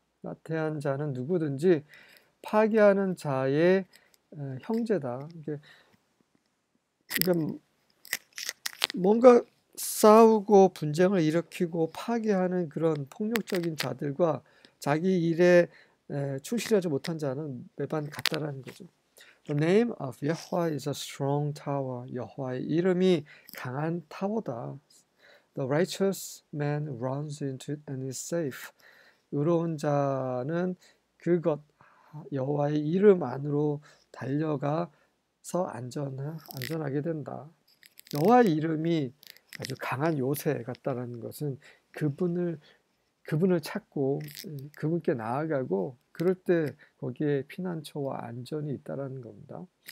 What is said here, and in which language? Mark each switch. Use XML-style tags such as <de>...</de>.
<ko>나태한 자는 누구든지 파괴하는 자의 형제다. 뭔가 싸우고 분쟁을 일으키고 파괴하는 그런 폭력적인 자들과 자기 일에 충실하지 못한 자는 매번 같다라는 거죠.</ko> <en>The name of Yahweh is a strong tower.</en> <ko>여호와의 이름이 강한 타워다.</ko> <en>The righteous man runs into it and is safe.</en> <ko>의로운 자는 그것 여호와의 이름 안으로 달려가서 안전하게 된다. 여호와의 이름이 아주 강한 요새 같다라는 것은 그분을 찾고 그분께 나아가고 그럴 때 거기에 피난처와 안전이 있다라는 겁니다.</ko>